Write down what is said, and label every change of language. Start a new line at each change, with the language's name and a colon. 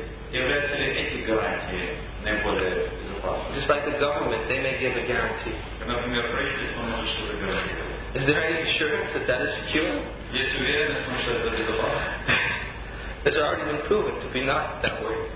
Russian: Являются ли эти гарантии наиболее безопасными?
English: Just like the government, they may give a guarantee.
Russian: Например, правительство может что-то гарантировать.
English: Is there any assurance that that is secure?
Russian: Есть уверенность, что это безопасно?
English: It's already been proven to be not that way.